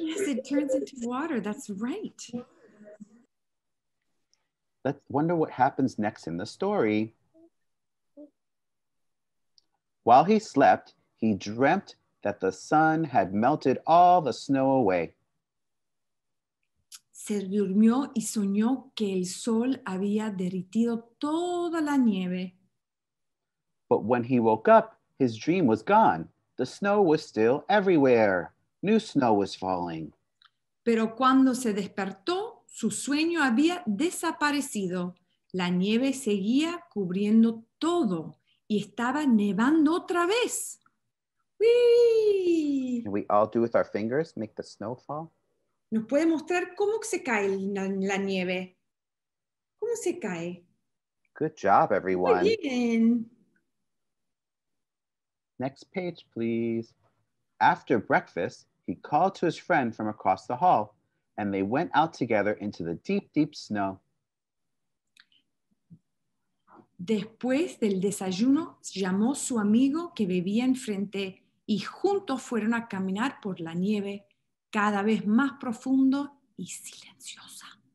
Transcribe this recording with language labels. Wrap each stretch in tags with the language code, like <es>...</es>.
<en>Yes, it turns into water. That's right. Let's wonder what happens next in the story. While he slept, he dreamt that the sun had melted all the snow away.</en> <es>se durmió y soñó que el sol había derretido toda la nieve.</es> <en>But when he woke up, his dream was gone. The snow was still everywhere. New snow was falling.</en> <es>Pero cuando se despertó, su sueño había desaparecido. La nieve seguía cubriendo todo y estaba nevando otra vez. ¡Wii!</es> <en>Can we all do with our fingers, make the snow fall?</en> <es>¿Nos puede mostrar cómo se cae la nieve? ¿Cómo se cae?</es> <en>Good job, everyone.</en> <es>Muy bien.</es> <en>Next page, please. After breakfast, he called to his friend from across the hall, and they went out together into the deep, deep snow.</en> <es>Después del desayuno, llamó su amigo que vivía enfrente, y juntos fueron a caminar por la nieve, cada vez más profundo y silenciosa.</es>